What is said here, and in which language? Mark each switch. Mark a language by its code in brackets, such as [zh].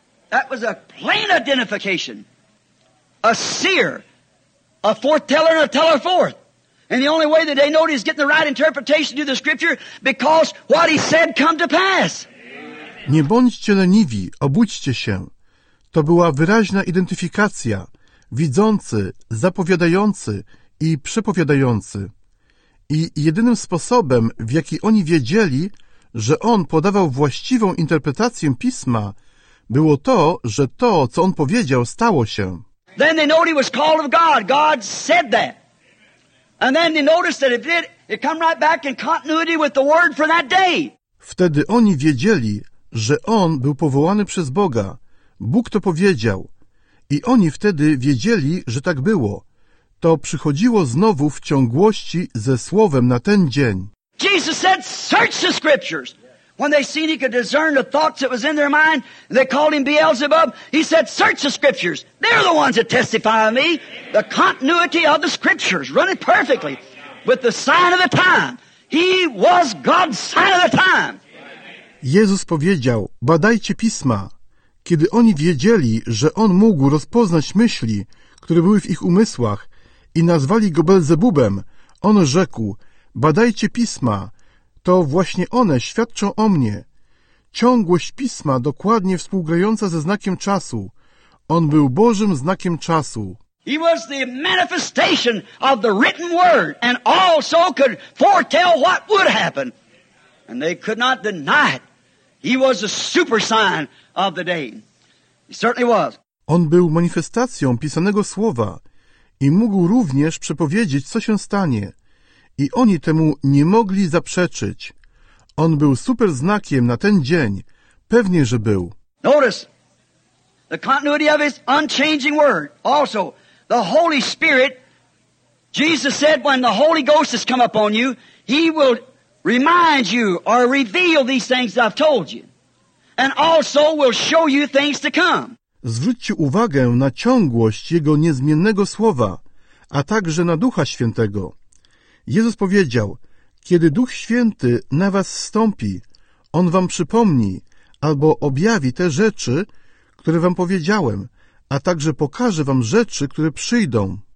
[en] That was a plain identification. A seer, a foreteller, and a teller forth. And the only way that they know he's getting the right interpretation to the scripture, because what he said come to pass. [pl] Nie bądźcie leniwi, obudźcie się. To była wyraźna identyfikacja. Widzący, zapowiadający i przepowiadający. I jedynym sposobem, w jaki oni wiedzieli, że on podawał właściwą interpretację pisma, było to, że to, co on powiedział, stało się. [en] Then they noticed he was called of God. God said that. And then they noticed that it come right back in continuity with the word for that day. [pl] Wtedy oni wiedzieli, że on był powołany przez Boga. Bóg to powiedział. I oni wtedy wiedzieli, że tak było. To przychodziło znowu w ciągłości ze Słowem na ten dzień. [en] Jesus said, search the scriptures. When they seen he could discern the thoughts that was in their mind, they called him Beelzebub. He said, search the scriptures. They're the ones that testify of me. The continuity of the scriptures running perfectly with the sign of the time. He was God's sign of the time. [pl] Jezus powiedział, badajcie pisma. Kiedy oni wiedzieli, że on mógł rozpoznać myśli, które były w ich umysłach i nazwali go Beelzebubem, on rzekł, badajcie pisma, to właśnie one świadczą o mnie. Ciągłość pisma dokładnie współgrająca ze znakiem czasu. On był Bożym znakiem czasu. [en] He was the manifestation of the written word and also could foretell what would happen. And they could not deny it. He was a super sign of the day. He certainly was. [pl] On był manifestacją pisanego słowa i mógł również przepowiedzieć, co się stanie. I oni temu nie mogli zaprzeczyć. On był super znakiem na ten dzień. Pewnie, że był. [en] Notice the continuity of his unchanging word. Also, the Holy Spirit, Jesus said, when the Holy Ghost has come upon you, he will remind you or reveal these things I've told you. And also will show you things to come. [pl] Zwróćcie uwagę na ciągłość jego niezmiennego słowa, a także na Ducha Świętego. Jezus powiedział, kiedy Duch Święty na was zstąpi, on wam przypomni albo objawi te rzeczy, które wam powiedziałem, a także pokaże wam rzeczy, które przyjdą.